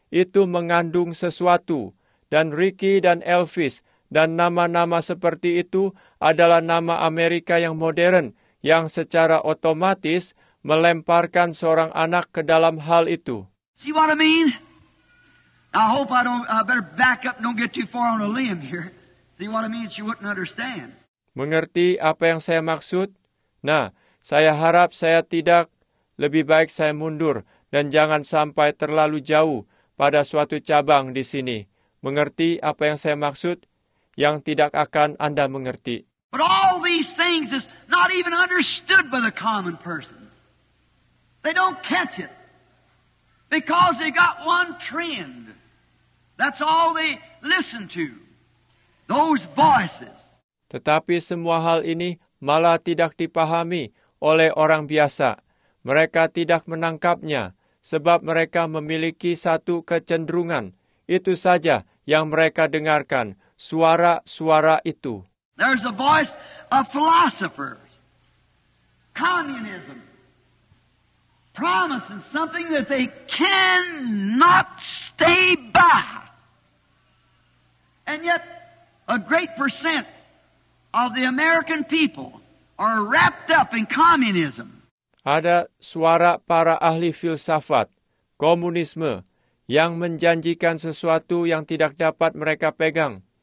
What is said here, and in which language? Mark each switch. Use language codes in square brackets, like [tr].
[id] Itu mengandung sesuatu, dan Ricky dan Elvis, dan nama-nama seperti itu adalah nama Amerika yang modern, yang secara otomatis melemparkan seorang anak ke dalam hal itu. [en] See what I mean? I hope I better back up, don't get too far on a limb here. See what I mean? She wouldn't understand. [id] Mengerti apa yang saya maksud? Nah, saya harap saya tidak, lebih baik saya mundur, dan jangan sampai terlalu jauh. Pada suatu cabang di sini, mengerti apa yang saya maksud, yang tidak akan Anda mengerti. [en] But all these things is not even understood by the common person. They don't catch it because they got one trend. That's all they listen to. Those voices. [id] Tetapi semua hal ini malah tidak dipahami oleh orang biasa. Mereka tidak menangkapnya. Sebab mereka memiliki satu kecenderungan. Itu saja yang mereka dengarkan, suara-suara itu. [en] There's a voice of philosophers. Communism. Promise and something that they cannot stay by. And yet, a great percent of the American people are wrapped up in communism. [id] Ada suara para ahli filsafat, komunisme, yang menjanjikan sesuatu yang tidak dapat mereka pegang.